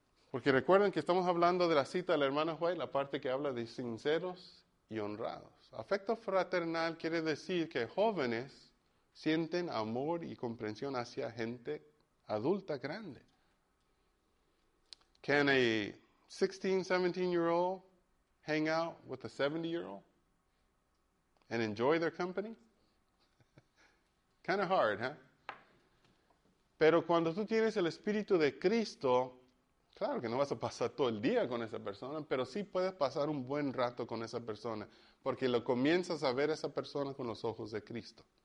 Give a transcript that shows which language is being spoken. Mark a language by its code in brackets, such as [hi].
[es] Porque recuerden que estamos hablando de la cita de la hermana White, la parte que habla de sinceros y honrados. Afecto fraternal quiere decir que jóvenes sienten amor y comprensión hacia gente adulta grande. [en] Can a 16, 17-year-old hang out with a 70-year-old and enjoy their company? Kind of hard, huh? [es] Pero cuando tú tienes el Espíritu de Cristo, claro que no vas a pasar todo el día con esa persona, pero sí puedes pasar un buen rato con esa persona, porque lo comienzas a ver a esa persona con los ojos de Cristo.